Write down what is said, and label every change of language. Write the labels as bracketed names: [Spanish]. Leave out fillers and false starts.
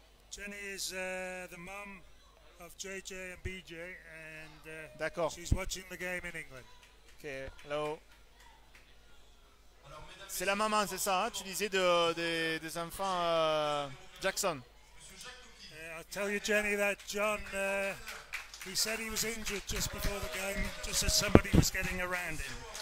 [English] Jenny is the mom of JJ and BJ and [French] d'accord. [English] She's watching the game in England. Okay, hello. [French] C'est la maman, c'est ça, hein, tu disais des enfants Jackson. [English] I'll tell you, Jenny, that John, he said he was injured just before the game, just as somebody was getting around him.